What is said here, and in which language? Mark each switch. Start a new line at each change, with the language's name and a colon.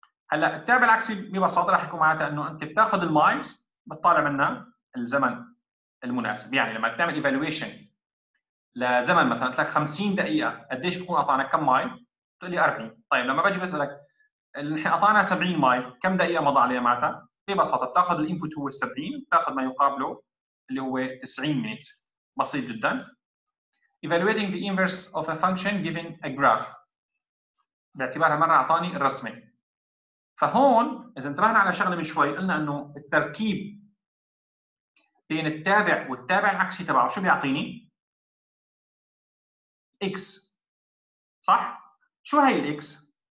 Arabic: هلا التابع العكسي ببساطه راح يكون معناته انه انت بتاخذ المايلز بتطالع منها الزمن المناسب يعني لما تعمل ايفالويشن لزمن مثلا لك 50 دقيقه قديش بكون اعطانا كم مايل؟ بتقول لي 40. طيب لما باجي بسالك نحن اعطانا 70 مايل كم دقيقه مضى عليها معناتها؟ ببساطه بتاخذ الانبوت هو 70 بتاخذ ما يقابله اللي هو 90 مينت بسيط جدا.
English: Evaluating the inverse of a function given a graph
Arabic: باعتبارها مره اعطاني الرسمه. فهون اذا انتبهنا على شغله من شوي قلنا انه التركيب بين التابع والتابع العكسي تبعه شو بيعطيني؟ اكس صح؟ شو هي الاكس؟